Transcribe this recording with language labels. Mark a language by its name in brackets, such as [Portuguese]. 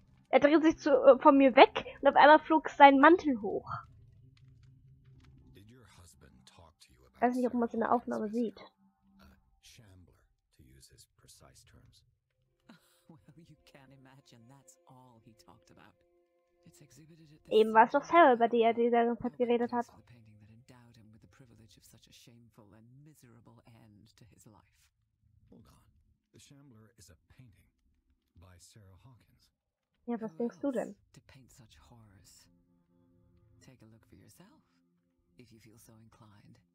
[German] Er dreht sich von mir weg und auf einmal flog sein Mantel hoch. Ich weiß nicht, ob man es in der Aufnahme sieht. [English] Shambler, to use his precise terms. Well, you can't imagine, that's all he talked about. It's exhibited at the... [German] Eben war es doch Sarah, bei der er die ganze Zeit geredet hat. [English] The painting that endowed him with the privilege of such a shameful and miserable end to his life. Hold on. The Shambler is a painting by Sarah Hawkins. [German] Ja, was denkst du denn? [English] To paint such horrors. Take a look for yourself, if you feel so inclined.